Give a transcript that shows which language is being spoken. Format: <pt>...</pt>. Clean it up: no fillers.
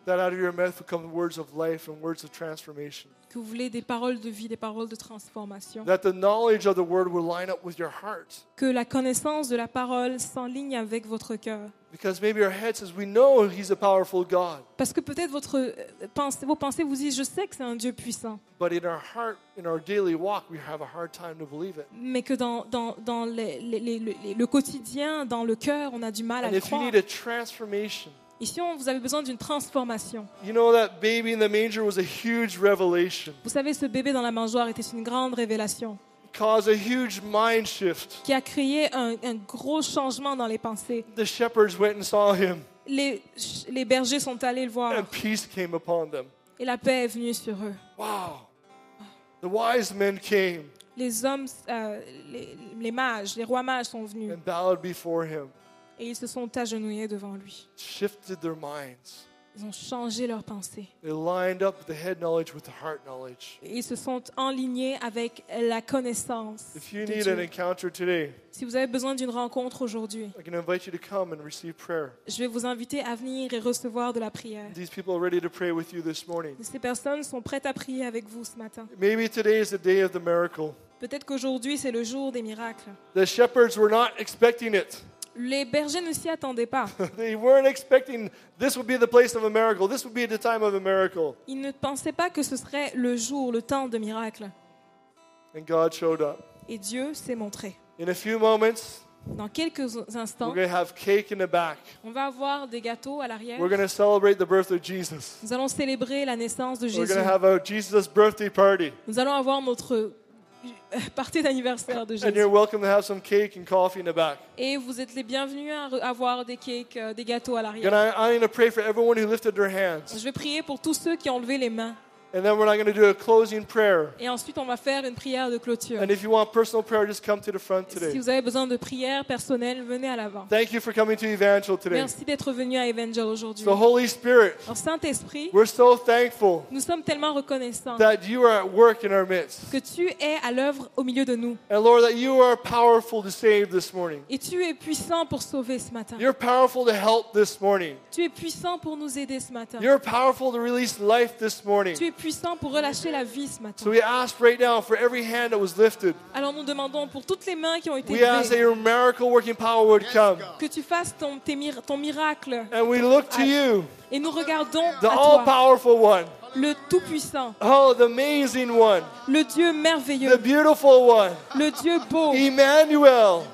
<en>That out of your mouth will come the words of life and words of transformation.</en> <fr>Que vous voulez des paroles de vie, des paroles de transformation.</fr> <en>That the knowledge of the word will line up with your heart.</en> <fr>Que la connaissance de la parole s'enligne avec votre cœur.</fr> <en>Because maybe your head says, "We know he's a powerful God."</en> <fr>Parce que peut-être vos pensées vous disent, je sais que c'est un Dieu puissant.</fr> <en>But in our heart, in our daily walk, we have a hard time to believe it.</en> <fr>Mais que dans le quotidien, dans le cœur, on a du mal</fr> <en>and</en> <fr>à le croire.</fr> <en>And if you need a transformation.</en> <fr>Et si vous avez besoin d'une transformation.</fr> <en>You know that baby in the manger was a huge revelation.</en> <fr>Vous savez, ce bébé dans la mangeoire était une grande révélation.</fr> <en>It caused a huge mind shift.</en> <fr>Qui a créé un gros changement dans les pensées.</fr> <en>The shepherds went and saw him.</en> <fr>Les bergers sont allés le voir.</fr> <en>And peace came upon them.</en> <fr>Et la paix est venue sur eux.</fr> <en>Wow. The wise men came.</en> <fr>Les hommes, les mages, les rois mages sont venus.</fr> <en>And bowed before him.</en> <fr>Et ils se sont agenouillés devant lui.</fr> <en>Shifted their minds.</en> <fr>Ils ont changé leurs pensées.</fr> <en>They lined up the head knowledge with the heart knowledge.</en> <fr>Et ils se sont enlignés avec la connaissance.</fr> <en>If you need an encounter today,</en> <fr>si vous avez besoin d'une rencontre aujourd'hui,</fr> <en>I can invite you to come and receive prayer.</en> <fr>Je vais vous inviter à venir et recevoir de la prière.</fr> <en>These people are ready to pray with you this morning.</en> <fr>Ces personnes sont prêtes à prier avec vous ce matin.</fr> <en>Maybe today is the day of the miracle.</en> <fr>Peut-être qu'aujourd'hui c'est le jour des miracles.</fr> <en>The shepherds were not expecting it.</en> <fr>Les bergers ne s'y attendaient pas.</fr> <en>They weren't expecting this would be the place of a miracle. This would be the time of a miracle.</en> <fr>Ils ne pensaient pas que ce serait le jour, le temps de miracle.</fr> <en>And God showed up.</en> <fr>Et Dieu s'est montré.</fr> <en>In a few moments,</en> <fr>dans quelques instants,</fr> <en>we're going to have cake in the back.</en> <fr>On va avoir des gâteaux à l'arrière.</fr> <en>We're going to celebrate the birth of Jesus.</en> <fr>Nous allons célébrer la naissance de Jésus.</fr> <en>We're going to have a Jesus birthday party.</en> <fr>Nous allons avoir notre partie d'anniversaire de Jésus.</fr> <en>And you're welcome to have some cake and coffee in the back.</en> <fr>Et vous êtes les bienvenus à avoir des cakes, des gâteaux à l'arrière.</fr> <en>And I'm going to pray for everyone who lifted their hands.</en> <fr>Je vais prier pour tous ceux qui ont levé les mains.</fr> <en>And then we're going to do a closing prayer.</en> <fr>Et ensuite on va faire une prière de clôture.</fr> <en>And if you want personal prayer, just come to the front today.</en> <fr>Si vous avez besoin de prière personnelle, venez à l'avant.</fr> <en>Thank you for coming to Evangel today.</en> <fr>Merci d'être venu à Evangel aujourd'hui.</fr> <en>The Holy Spirit.</en> <fr>Alors, Saint-Esprit.</fr> <en>We're so thankful.</en> <fr>Nous sommes tellement reconnaissants.</fr> <en>That you are at work in our midst.</en> <fr>Que tu es à l'œuvre au milieu de nous.</fr> <en>And Lord, that you are powerful to save this morning.</en> <fr>Et tu es puissant pour sauver ce matin.</fr> <en>You're powerful to help this morning.</en> <fr>Tu es puissant pour nous aider ce matin.</fr> <en>You're powerful to release life this morning.</en> <fr>Puissant pour relâcher la vie ce matin.</fr> <en>So we ask right now for every hand that was lifted.</en> <fr>Alors nous demandons pour toutes les mains qui ont été levées.</fr> <en>We ask that your miracle working power would come.</en> <fr>Que tu fasses ton miracle.</fr> <en>And we look to you.</en> <fr>Et nous regardons à toi.</fr> <en>The all-powerful one.</en> <fr>Le tout-puissant.</fr> <en>Oh, the amazing one.</en> <fr>Le Dieu merveilleux.</fr> <en>The beautiful one.</en> <fr>Le Dieu beau.</fr> <en>Emmanuel.</en>